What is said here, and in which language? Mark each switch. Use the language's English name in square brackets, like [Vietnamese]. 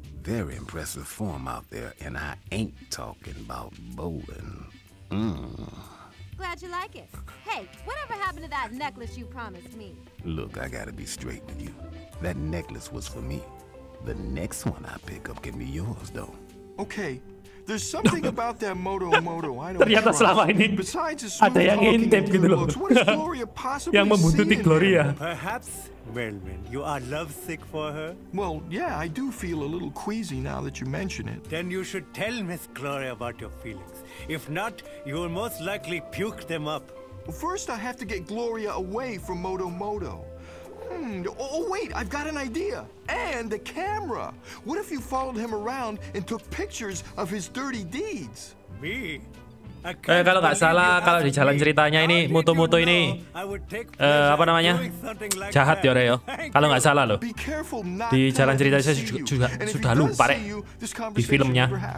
[English] Very impressive form out there, and I ain't talking about bowling. Glad you like it. Hey, whatever happened to that necklace you promised me? Look, I gotta be straight with you. That necklace was for me. The next one I pick up can be yours, though. Okay. There's something about that moto moto. I don't [Indonesian] ternyata [English] trust. [Indonesian] Selama ini ada yang intip gitu loh. Yang membuntuti Gloria. [English] Perhaps, Melvin, you are lovesick for her. Well, yeah, I do feel a little queasy now that you mention it. Then you should tell Miss Gloria about your feelings. If not, you will most likely puke them up. Well, first, I have to get Gloria away from moto moto. Oh wait, I've got an idea. And the camera. What if you followed him around and took pictures of his dirty deeds? Me? [Indonesian] Kalau nggak salah, kalau di jalan ceritanya ini mutu-mutu ini apa namanya jahat ya Reo. Kalau nggak salah loh, di jalan cerita saya juga sudah lupa Rek, di filmnya.